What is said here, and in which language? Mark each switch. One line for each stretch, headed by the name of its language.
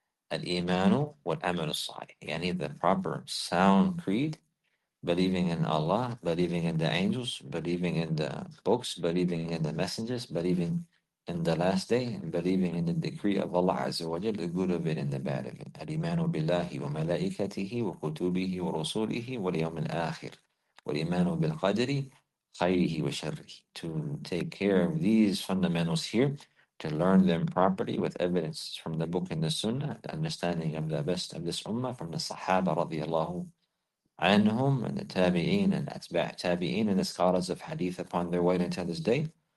English: Al-Imanu wal-amal as-salih. Yani the proper sound creed, believing in Allah, believing in the angels, believing in the books, believing in the messengers, believing in the last day, and believing in the decree of Allah Azza wa Jal, the good of it and the bad of it.
Arabic: الإيمان بالله وملائكته وكتبه ورسوله واليوم الآخر. والإيمان بالقدر خيره وشره.
English: To take care of these fundamentals here, to learn them properly with evidence from the book and the sunnah, the understanding of the best of this ummah from the Sahaba radiallahu anhum, and the tabi'een and atba' tabi'een and the scholars of hadith upon their way until this day.